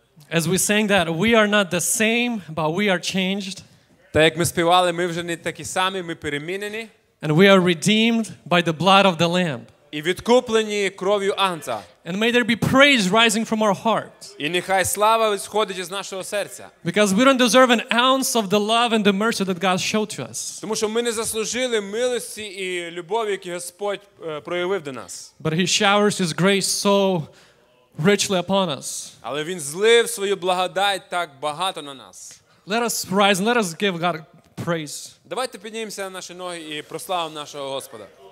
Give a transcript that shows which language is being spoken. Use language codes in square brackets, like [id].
[en] As we sang that, we are not the same, but we are changed. [uk] Та як ми співали, ми вже не такі самі, ми перемінені. [en] And we are redeemed by the blood of the Lamb. [uk] І відкуплені кров'ю Агнця. [en] And may there be praise rising from our hearts. [uk] І нехай слава сходить із нашого серця. [en] Because we don't deserve an ounce of the love and the mercy that God showed to us. [uk] Тому що ми не заслужили милості і любові, які Господь проявив до нас. [en] But he showers his grace so richly upon us. [uk] Але він злив свою благодать так багато на нас. [en] Let us rise and let us give God praise. [uk] Давайте піднімемося на наші ноги і прославимо нашого Господа.